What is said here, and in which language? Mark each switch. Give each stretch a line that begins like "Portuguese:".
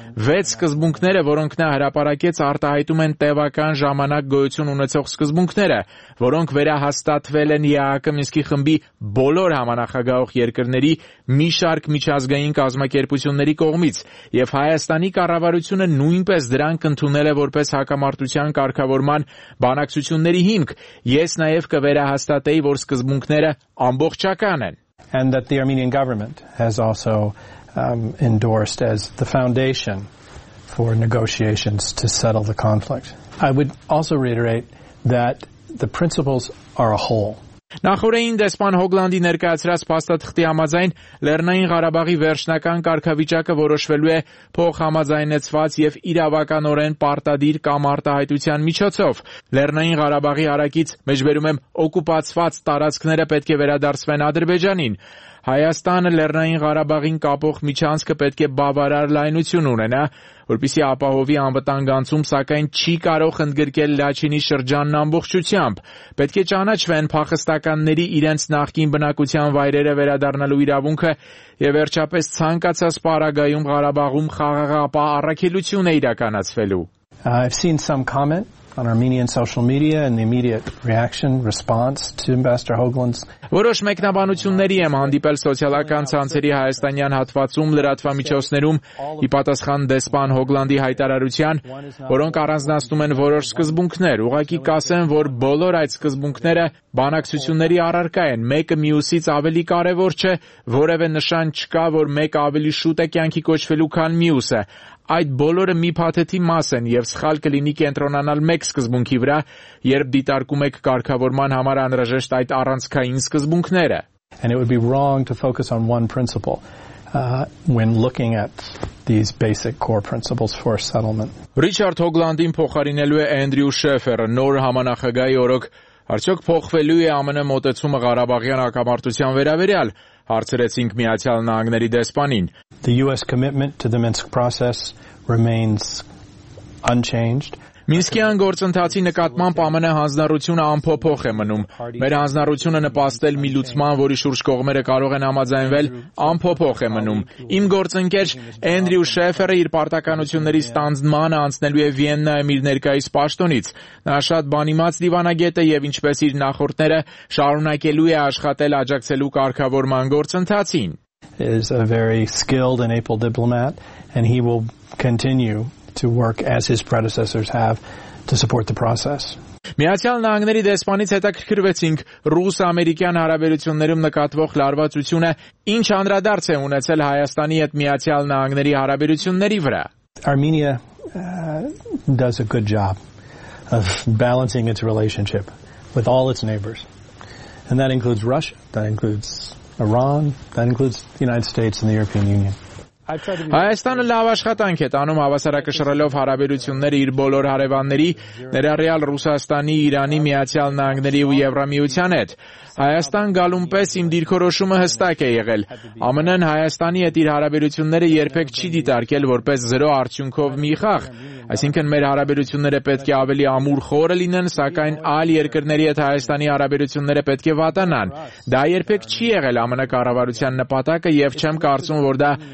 Armenian: 6 սկզբունքները, որոնք նա հրապարակեց, արտահայտում են տևական ժամանակ գոյություն ունեցող սկզբունքները, որոնք վերահաստատվել են ԵԱԿ Մինսկի խմբի բոլոր համանախագահող երկրների մի շարք միջազգային կազմակերպությունների կողմից, և Հայաստանի կառավարությունը նույնպես դրանք ընդունել է որպես հակամարտության կարգավորման բանակցությունների հիմք։ Ես նաև կվերահաստատեի, որ սկզբունքները ամբողջական են,
English: and that the Armenian government has also endorsed as the foundation for negotiations to settle the conflict. I would also reiterate that the principles are a whole.
Armenian: Նախորդին դեսպան Հոգլանդի ներկայացրած փաստաթղթի համաձայն Լեռնային Ղարաբաղի վերջնական կարգավիճակը որոշվելու է փոխհամաձայնեցված եւ իրավականորեն պարտադիր կամ արտահայտության միջոցով։ Լեռնային Ղարաբաղի հարակից մեջբերում եմ օկուպացված տարածքները պետք է վերադարձվեն Ադրբեջանին։ Հայաստանը Լեռնային Ղարաբաղին կապող միջանցքը պետք է բավարար լայնություն ունենա, որպեսզի ապահովի անվտանգանցում, սակայն չի կարող ընդգրկել Լաչինի շրջանն ամբողջությամբ։ Պետք է ճանաչվեն փախստականների իրենց նախկին բնակության վայրերը վերադառնալու իրավունքը, եւ վերջապես ցանկացած պարագայում Ղարաբաղում խաղաղապահ առաքելություն է իրականացվելու։
English: I've seen some comment on Armenian social media and the immediate reaction response to Ambassador Hoagland's.
Armenian: Որոշ մեկնաբանությունների եմ հանդիպել սոցիալական ցանցերի հայաստանյան հատվածում լրատվամիջոցներում ի պատասխան դեսպան Հոգլանդի հայտարարության, որոնք առանձնացնում են որոշ սկզբունքներ։ Ուղղակի կասեմ, որ բոլոր այդ սկզբունքները բանակցությունների առարկա են, մեկը մյուսից ավելի կարևոր չէ, որևէ նշան չկա, որ մեկը ավելի շուտ է կյանքի կոչվելու, քան մյուսը։ Այդ բոլորը մի փաթեթի մաս են, եւ սխալ կլինի կենտրոնանալ մեկ սկզբունքի վրա, երբ դիտարկում եք կարգավորման համար անհրաժեշտ այդ առանցքային սկզբունքները.
English: And it would be wrong to focus on one principle when looking at these basic core principles for settlement.
Armenian: Ռիչարդ Հոգլանդին փոխարինելու է Անդրյու Շեֆերը, նոր համանախագահի օրոք արդյոք փոխվելու է ԱՄՆ մոտեցումը Ղարաբաղյան հակամարտության վերաբերյալ, հարցրեցինք Միացյալ Նահանգների դեսպանին.
English: The US commitment to the Minsk process remains unchanged.
Armenian: Մինսկյան գործընթացի նկատմամբ ԱՄՆ հանձնառությունը անփոփոխ է մնում։ Մեր հանձնառությունը նպաստել մի լուծման, որի շուրջ կողմերը կարող են համաձայնվել, անփոփոխ է մնում։ Իմ գործընկեր Անդրյու Շեֆերը իր պարտականությունների ստանձմանը անցնելու է Վիեննայում իր ներկայիս պաշտոնից։ Նա շատ բան իմաց դիվանագետ է, եւ ինչպես իր նախորդները, շարունակելու է աշխատել աջակցելու կարգավորման գործընթացին։
English: He is a very skilled and able diplomat, and he will continue to work as his predecessors have to support the process.
Armenian: Միացյալ Նահանգների դեսպանից հետաքրքրվեցինք ռուս-ամերիկյան հարաբերություններում նկատվող լարվածությունը ինչ անդրադարձ է ունեցել Հայաստանի հետ Միացյալ Նահանգների հարաբերությունների վրա։
English: Armenia does a good job of balancing its relationship with all its neighbors. And that includes Russia, that includes Iran, that includes the United States and the European Union.
Armenian: Հայաստանը լավ աշխատանք է տանում հավասարակշռելով հարաբերությունները իր բոլոր հարևանների, ներառյալ Ռուսաստանի, Իրանի, Միացյալ Նահանգների ու Եվրամիության հետ։ Հայաստան գալուն պես իմ դիրքորոշումը հստակ է եղել։ ԱՄՆ-ն Հայաստանի հետ իր հարաբերությունները երբեք չի դիտարկել որպես զրո արդյունքով մի խաղ, այսինքն մեր հարաբերությունները պետք է ավելի ամուր խորը լինեն, սակայն այլ երկրների հետ Հայաստանի հարաբերությունները պետք է վատանան։ Դա երբեք չի եղել ԱՄՆ կառավարության նպատակը եւ չեմ կարծում, որ դա